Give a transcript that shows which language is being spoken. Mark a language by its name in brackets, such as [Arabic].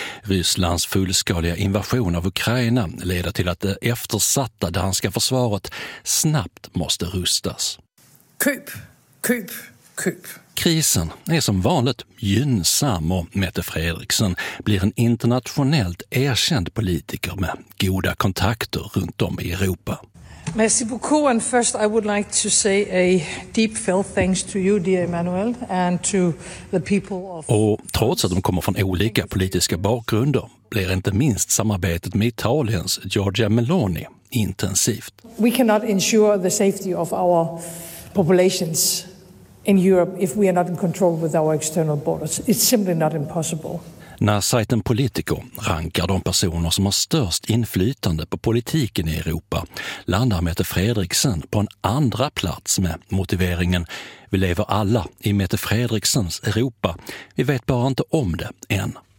[Swedish] Rysslands fullskaliga invasion av Ukraina leder till att det eftersatta danska försvaret snabbt måste rustas. Köp, köp, köp. Krisen är som vanligt gynnsam och Mette Frederiksen blir en internationellt erkänd politiker med goda kontakter runt om i Europa. [French] Merci beaucoup, [English] and first I would like to say a deep felt thanks to you, dear Emmanuel, and to the people of... [Swedish] Och trots att de kommer från olika politiska bakgrunder blir inte minst samarbetet med Italiens Giorgia Meloni intensivt. [English] We cannot ensure the safety of our populations in Europe if we are not in control with our external borders. It's simply not impossible. [Swedish] När sajten Politico rankar de personer som har störst inflytande på politiken i Europa landar Mette Frederiksen på en andra plats med motiveringen vi lever alla i Mette Frederiksens Europa, vi vet bara inte om det än.